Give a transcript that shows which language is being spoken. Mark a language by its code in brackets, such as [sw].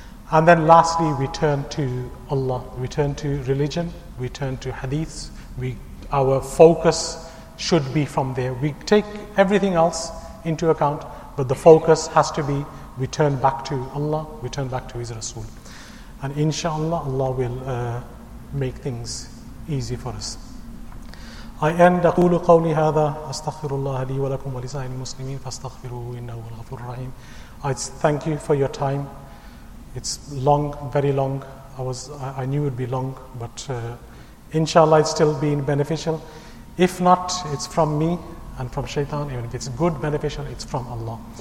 [en] And then lastly, we turn to Allah, we turn to religion, we turn to hadiths, our focus should be from there. We take everything else into account, but the focus has to be, we turn back to Allah, we turn back to His Rasul. And inshallah, Allah will make things easy for us. I end [ar] أقول قولي هذا أستغفر الله لي ولكم ولسائر المسلمين فاستغفروه إنه هو الغفور الرحيم. [en] I thank you for your time. It's long, very long. I knew it would be long, but inshallah it's still been beneficial. If not, it's from me and from Shaitan. Even if it's good, beneficial, it's from Allah.